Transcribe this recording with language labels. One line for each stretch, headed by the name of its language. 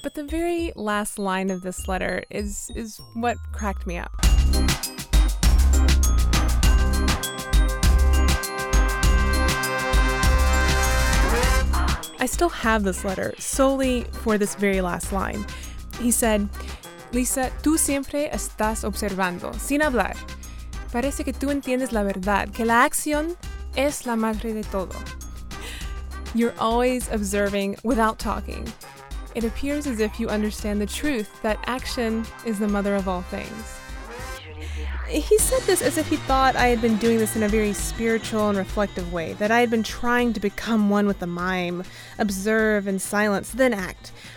English: But the very last line of this letter is what cracked me up. I still have this letter solely for this very last line. He said,
Spanish: Lisa, tú siempre estás observando, sin hablar. Parece que tú entiendes la verdad, que la acción es la madre de todo.
English: You're always observing without talking. It appears as if you understand the truth that action is the mother of all things. He said this as if he thought I had been doing this in a very spiritual and reflective way, that I had been trying to become one with the mime, observe in silence, then act.